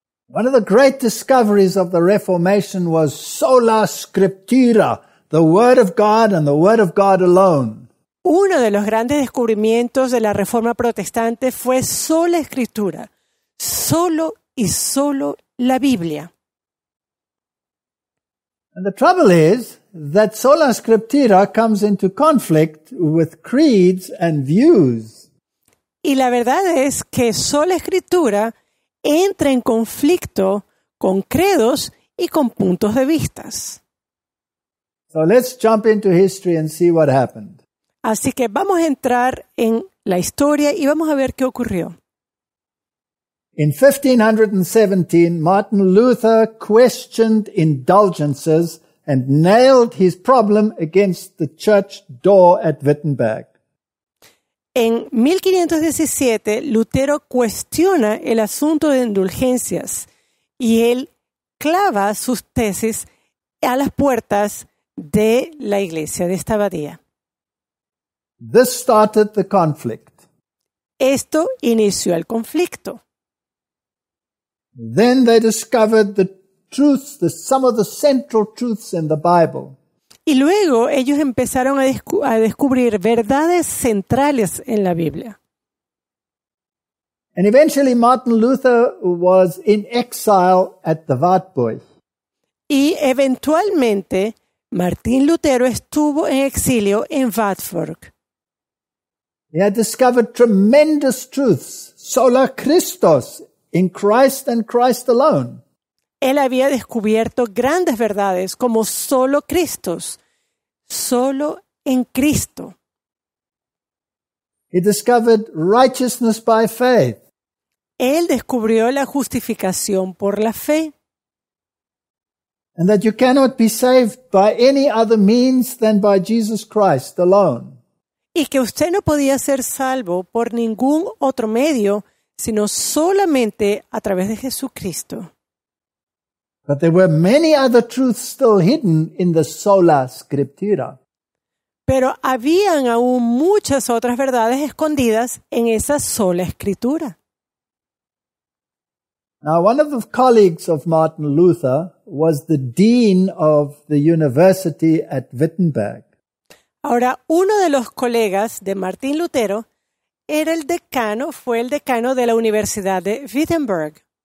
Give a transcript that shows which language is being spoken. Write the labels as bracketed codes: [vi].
[en] One of the great discoveries of the Reformation was sola scriptura, the Word of God and the Word of God alone. [es] Uno de los grandes descubrimientos de la Reforma Protestante fue sola escritura, solo y solo la Biblia. [en] And the trouble is that sola scriptura comes into conflict with creeds and views. [es] Y la verdad es que sola escritura entra en conflicto con credos y con puntos de vistas. [en] So let's jump into history and see what happened. [es] Así que vamos a entrar en la historia y vamos a ver qué ocurrió. [en] In 1517, Martin Luther questioned indulgences and nailed his problem against the church door at Wittenberg. [es] En 1517, Lutero cuestiona el asunto de indulgencias y él clava sus tesis a las puertas de la iglesia, de esta abadía. [en] This started the conflict. [es] Esto inició el conflicto. [en] Then they discovered the truths, some of the central truths in the Bible. [es] Y luego ellos empezaron a descubrir verdades centrales en la Biblia. [en] And eventually Martin Luther was in exile at the Wartburg. [es] Y eventualmente Martín Lutero estuvo en exilio en Wartburg. [en] He had discovered tremendous truths, sola Christos, in Christ and Christ alone. [es] Él había descubierto grandes verdades como solo Christos, solo en Cristo. [en] He discovered righteousness by faith. [es] Él descubrió la justificación por la fe. [en] And that you cannot be saved by any other means than by Jesus Christ alone. [es] Y que usted no podía ser salvo por ningún otro medio, sino solamente a través de Jesucristo. [en] But there were many other truths still hidden in the sola scriptura. [es] Pero habían aún muchas otras verdades escondidas en esa sola escritura. [en] Now, one of the colleagues of Martin Luther was the dean of the university at Wittenberg. [es] Ahora, uno de los colegas de Martín Lutero era el decano, fue el decano de la Universidad de Wittenberg.